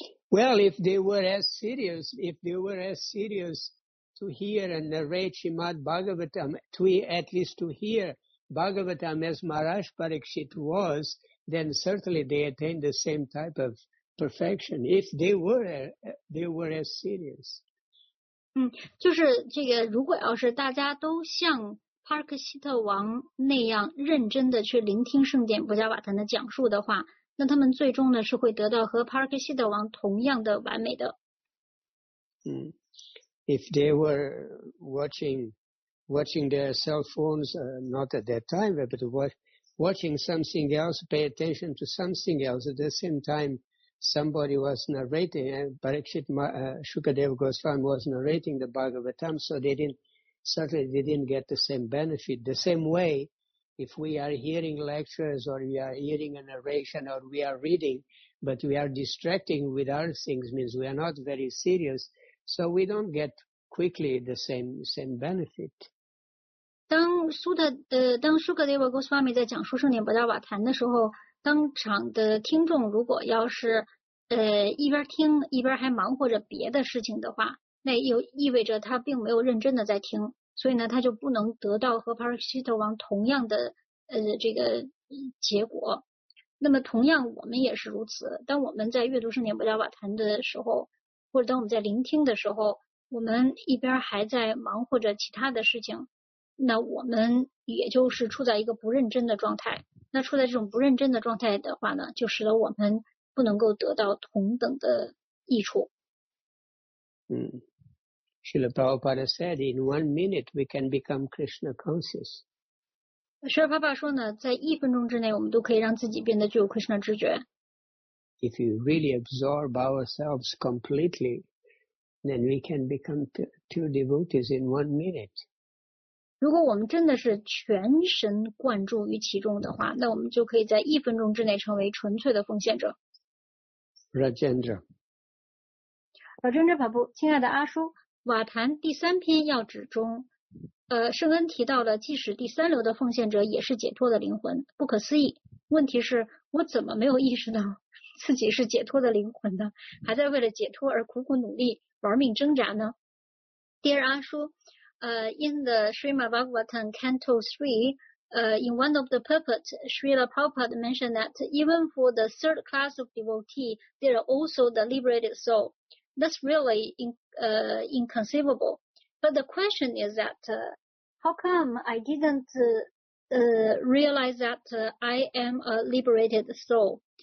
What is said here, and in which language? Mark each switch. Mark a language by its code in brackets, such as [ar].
[en] Well, if they were as serious. To hear and narrate Srimad Bhagavatam, at least to hear Bhagavatam as Maharaj Parikshit was, then certainly they attained the same type of perfection if they were as serious. [zh] 就是这个，如果要是大家都像帕克希特王那样认真的去聆听圣典不加瓦坛的讲述的话，那他们最终呢是会得到和帕克希特王同样的完美的。 [en] If they were watching their cell phones, not at that time, but watching something else, pay attention to something else. At the same time, somebody was narrating, and Parikshit Shukadeva Goswami was narrating the Bhagavatam, so they didn't get the same benefit. The same way, if we are hearing lectures or we are hearing a narration or we are reading, but we are distracting with other things, means we are not very serious, so we don't get quickly the same benefit. [zh] 当 Shukadeva Goswami 在讲述圣典巴达瓦坛的时候，当场的听众如果要是一边听一边还忙活着别的事情的话，那又意味着他并没有认真的在听，所以呢，他就不能得到和帕尔西特王同样的这个结果。那么同样我们也是如此，当我们在阅读圣典巴达瓦坛的时候，或者当我们在聆听的时候，我们一边还在忙活着其他的事情，那我们也就是处在一个不认真的状态，那处在这种不认真的状态的话呢，就使得我们不能够得到同等的益处。 [en] Srila Prabhupada said, in 1 minute we can become Krishna conscious. [zh] Srila Prabhupada 说呢，在一分钟之内我们都可以让自己变得具有 Krishna 知觉。 [en] If you really absorb ourselves completely, then we can become two devotees in 1 minute. [zh] 如果我们真的是全神贯注于其中的话，那我们就可以在一分钟之内成为纯粹的奉献者。 Rajendra， Rajendra Prabhu， 亲爱的阿叔，瓦坛第三篇要旨中，圣恩提到了，即使第三流的奉献者也是解脱的灵魂，不可思议。问题是，我怎么没有意识到自己是解脱的灵魂呢？还在为了解脱而苦苦努力，玩命挣扎呢 ？Dear 阿叔。 [en] In the Srimad Bhagavatam Canto 3, in one of the purports, Srila Prabhupada mentioned that even for the third class of devotee, there are also the liberated soul. That's really inconceivable. But the question is that, how come I didn't realize that I am a liberated soul?